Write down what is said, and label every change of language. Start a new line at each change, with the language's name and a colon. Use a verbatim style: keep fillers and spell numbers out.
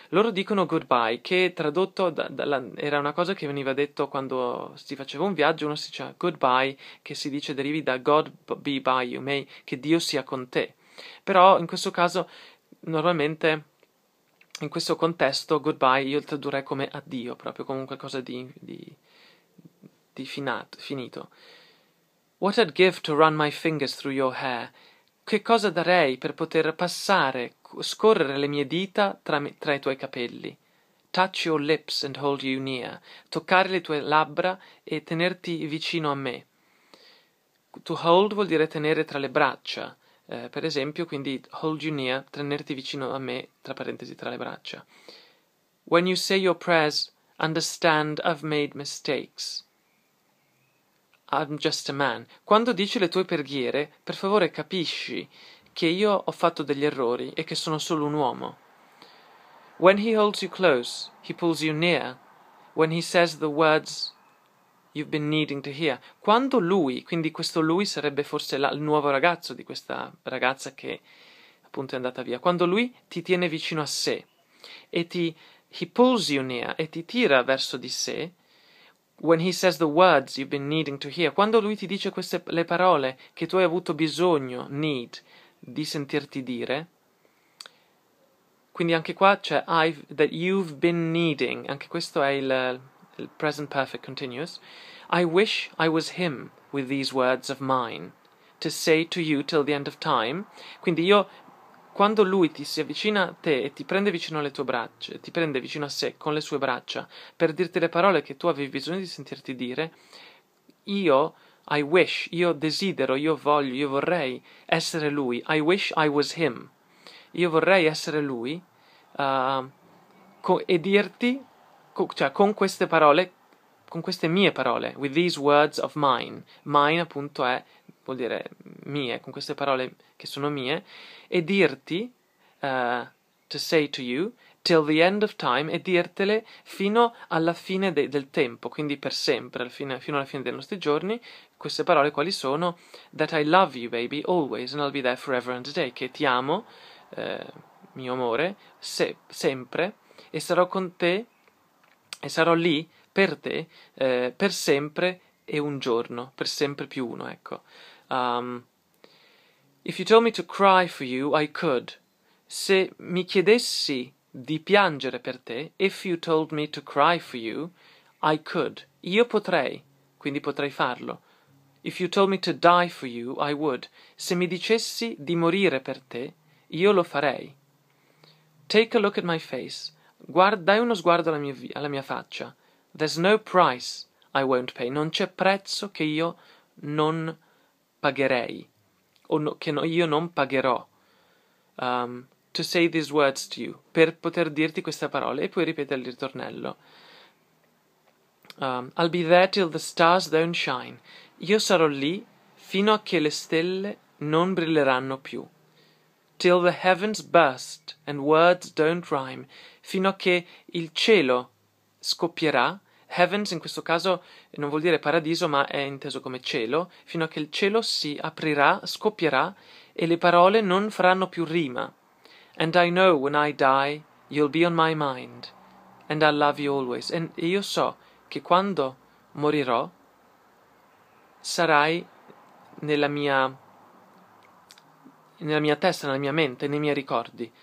Italian: Loro dicono goodbye, che tradotto da, dalla, era una cosa che veniva detto quando si faceva un viaggio, uno si diceva goodbye, che si dice derivi da
English: God be by you, may,
Italian: che Dio sia con te. Però in questo caso, normalmente, in questo contesto, goodbye io tradurrei come addio, proprio come qualcosa di, di, di finato, finito.
English: What I'd give to run my fingers through your hair.
Italian: Che cosa darei per poter passare, scorrere le mie dita tra, me, tra i tuoi capelli?
English: Touch your lips and hold you near.
Italian: Toccare le tue labbra e tenerti vicino a me. To hold vuol dire tenere tra le braccia. Eh, per esempio, quindi
English: hold you near,
Italian: tenerti vicino a me, tra parentesi, tra le braccia.
English: When you say your prayers, understand I've made mistakes. I'm just a man.
Italian: Quando dici le tue preghiere, per favore capisci che io ho fatto degli errori e che sono solo un uomo.
English: When he holds you close, he pulls you near. When he says the words you've been needing to hear.
Italian: Quando lui, quindi questo lui sarebbe forse la, il nuovo ragazzo di questa ragazza che appunto è andata via. Quando lui ti tiene vicino a sé e ti
English: he pulls you near
Italian: e ti tira verso di sé.
English: When he says the words you've been needing to hear,
Italian: quando lui ti dice queste le parole che tu hai avuto bisogno, need, di sentirti dire, quindi anche qua c'è I've,
English: that you've been needing,
Italian: anche questo è il, il present perfect continuous.
English: I wish I was him with these words of mine, to say to you till the end of time.
Italian: Quindi io, quando lui ti si avvicina a te e ti prende vicino alle tue braccia, ti prende vicino a sé con le sue braccia per dirti le parole che tu avevi bisogno di sentirti dire, io,
English: I wish,
Italian: io desidero, io voglio, io vorrei essere lui.
English: I wish I was him.
Italian: Io vorrei essere lui uh, co- e dirti, co- cioè con queste parole, con queste mie parole,
English: with these words of mine.
Italian: Mine appunto è, vuol dire mie, con queste parole che sono mie, e dirti, uh,
English: to say to you, till the end of time,
Italian: e dirtele fino alla fine de- del tempo, quindi per sempre, al fine, fino alla fine dei nostri giorni, queste parole quali sono?
English: That I love you, baby, always, and I'll be there forever and today,
Italian: che ti amo, eh, mio amore, se- sempre, e sarò con te, e sarò lì per te, eh, per sempre e un giorno, per sempre più uno, ecco.
English: Um, If you told me to cry for you, I could.
Italian: Se mi chiedessi di piangere per te,
English: if you told me to cry for you, I could.
Italian: Io potrei, quindi potrei farlo.
English: If you told me to die for you, I would.
Italian: Se mi dicessi di morire per te, io lo farei.
English: Take a look at my face.
Italian: Guarda, dai uno sguardo alla mia, vi- alla mia faccia.
English: There's no price I won't pay.
Italian: Non c'è prezzo che io non pagherei. O no, che no, io non pagherò. Um,
English: to say these words to you,
Italian: per poter dirti queste parole, e poi ripetere il ritornello.
English: Um, I'll be there till the stars don't shine.
Italian: Io sarò lì fino a che le stelle non brilleranno più.
English: Till the heavens burst and words don't rhyme.
Italian: Fino a che il cielo scoppierà Heavens in questo caso non vuol dire paradiso, ma è inteso come cielo, fino a che il cielo si aprirà, scoppierà, e le parole non faranno più rima.
English: And I know when I die, you'll be on my mind. And I love you always.
Italian: And io so che quando morirò, sarai nella mia, nella mia testa, nella mia mente, nei miei ricordi.